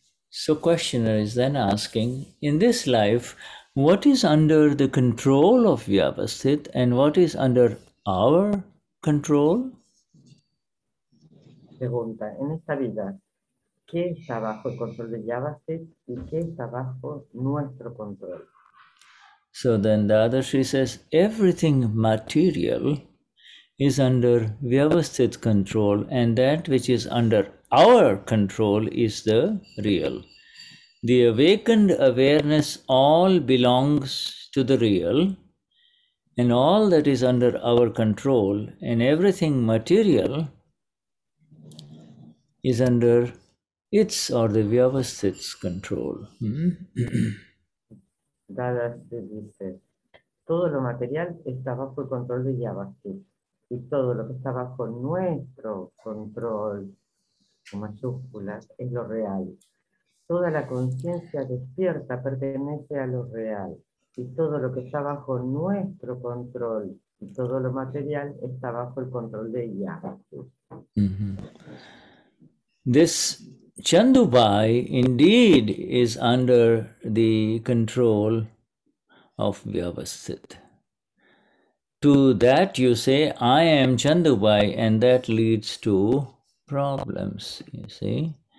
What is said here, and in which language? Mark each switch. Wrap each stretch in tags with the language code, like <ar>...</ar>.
<en>So questioner is then asking, in this life, what is under the control of vyavasthit and what is under our control?</en> <es>Pregunta, en esta vida, ¿qué está bajo el control de vyavasthit y qué está bajo nuestro control?</es> <en>So then the other she says, everything material is under vyavasthit control, and that which is under our control is the real. The awakened awareness all belongs to the real, and all that is under our control and everything material is under its or the vyavasthit's control.</en> <es>Dada se dice, todo lo material está bajo el control de vyavasthit, y todo lo que está bajo nuestro control, con mayúsculas, es lo real. Toda la conciencia despierta pertenece a lo real, y todo lo que está bajo nuestro control, y todo lo material, está bajo el control de Yah.</es> <en>This Chandubai indeed is under the control of Vyavasthit. To that you say, I am Chandubai, and that leads to problems, you see.</en>